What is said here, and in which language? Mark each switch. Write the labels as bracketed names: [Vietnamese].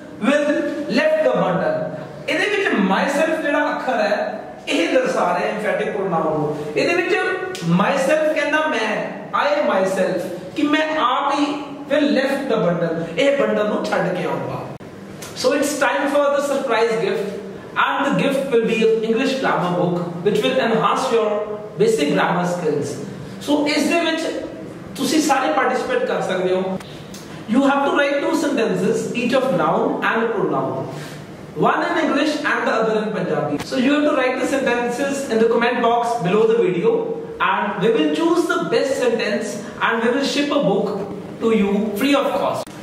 [English] will lift the bundle. [Punjabi] ਇਹਦੇ ਵਿੱਚ myself ਜਿਹੜਾ ਅੱਖਰ ਹੈ ਇਹ ਦਰਸਾ ਰਿਹਾ ਇੰਫੈਟਿਕ ਪ੍ਰੋਨਾਊਨ ਨੂੰ। ਇਹਦੇ ਵਿੱਚ myself ਕਹਿੰਦਾ ਮੈਂ, [English] I myself, [Punjabi] ਕਿ ਮੈਂ ਆਪ ਹੀ [English] will lift the bundle, [Punjabi] ਇਹ ਬੰਡਲ ਨੂੰ ਛੱਡ ਕੇ ਆਉਂਗਾ। [English] So it's time for the surprise gift, and the gift will be an English grammar book which will enhance your basic grammar skills. [Punjabi] So ਇਸਦੇ ਵਿੱਚ ਤੁਸੀਂ ਸਾਰੇ ਪਾਰਟਿਸਿਪੇਟ ਕਰ ਸਕਦੇ ਹੋ। [English] You have to write two sentences, each of noun and pronoun, one in English and the other in Punjabi. So you have to write the sentences in the comment box below the video, and we will choose the best sentence and we will ship a book to you free of cost.